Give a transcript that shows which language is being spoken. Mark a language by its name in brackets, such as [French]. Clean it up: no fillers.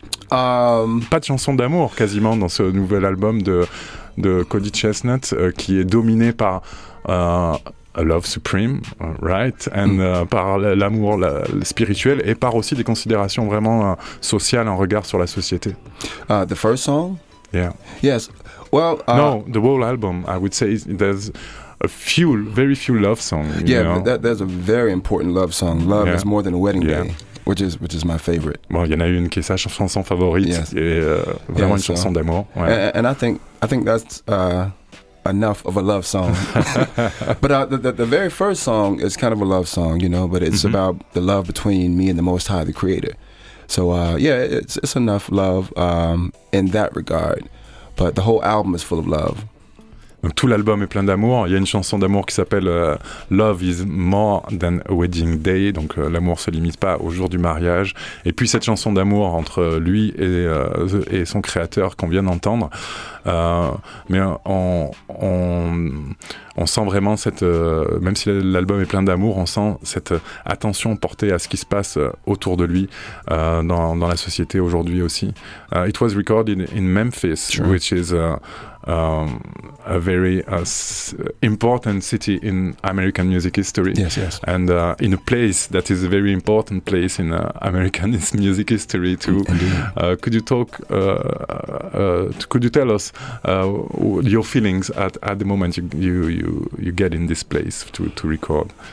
[French] Pas de chansons d'amour quasiment dans ce nouvel album de Cody Chestnut qui est dominé par A Love Supreme, right, and par l'amour le spirituel et par aussi des considérations vraiment sociales, un regard sur la société. [English] The first song? Yeah. Yes. Well, no, the whole album, I would say there's a few, very few love songs. Yeah, you know? There's a very important love song. Love is more than a wedding day. Which is my favorite. [French] Bon, il y en a une qui est sa chanson favorite, et vraiment une chanson d'amour. Ouais. [English] And I think that's enough of a love song. But the very first song is kind of a love song, you know. But it's about the love between me and the Most High, the Creator. So it's enough love in that regard. But the whole album is full of love. [French] Donc tout l'album est plein d'amour. Il y a une chanson d'amour qui s'appelle Love is more than a wedding day. Donc l'amour se limite pas au jour du mariage. Et puis cette chanson d'amour entre lui et son créateur qu'on vient d'entendre. Mais on sent vraiment cette, même si l'album est plein d'amour, on sent cette attention portée à ce qui se passe autour de lui dans la société aujourd'hui aussi. [English] It was recorded in Memphis, sure. Which is a very important city in American music history. Yes, yes. And in a place that is a very important place in American music history too. Could you tell us your feelings at the moment you get in this place to record?